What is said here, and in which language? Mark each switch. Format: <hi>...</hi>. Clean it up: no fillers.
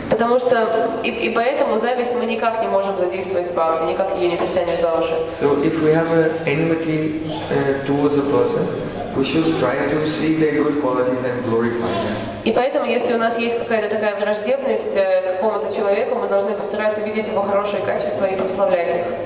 <ru>Потому что и поэтому зависть мы никак не можем задействовать в бхакти, никак ее не притянешь за уши.</ru> <en>So if we have enmity towards a person, we should try to see their good qualities and glorify them.</en> <ru>И поэтому, если у нас есть какая-то такая враждебность к какому-то человеку, мы должны постараться видеть его хорошие качества и прославлять их.</ru>